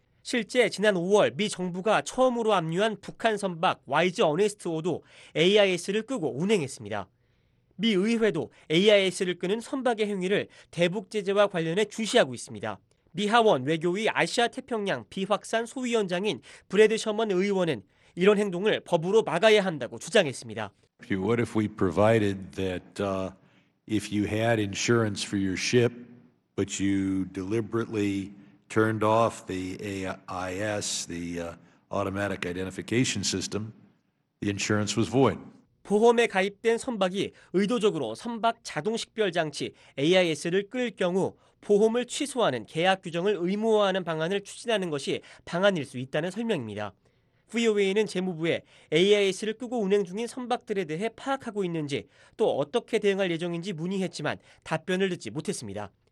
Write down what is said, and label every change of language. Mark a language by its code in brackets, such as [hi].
[ko] 실제 지난 5월 미 정부가 처음으로 압류한 북한 선박 YG 어네스트호도 AIS를 끄고 운행했습니다. 미 의회도 AIS를 끄는 선박의 행위를 대북 제재와 관련해 주시하고 있습니다. 미 하원 외교위 아시아태평양 비확산 소위원장인 브래드 셔먼 의원은 이런 행동을 법으로 막아야 한다고 주장했습니다. [en] What if we provided that if you had insurance for your ship, but you deliberately turned off the AIS, the automatic identification system, the insurance was void. [ko] 보험에 가입된 선박이 의도적으로 선박 자동 식별 장치 AIS를 끌 경우 보험을 취소하는 계약 규정을 의무화하는 방안을 추진하는 것이 방안일 수 있다는 설명입니다. VOA는 재무부에 AIS를 끄고 운행 중인 선박들에 대해 파악하고 있는지 또 어떻게 대응할 예정인지 문의했지만 답변을 듣지 못했습니다.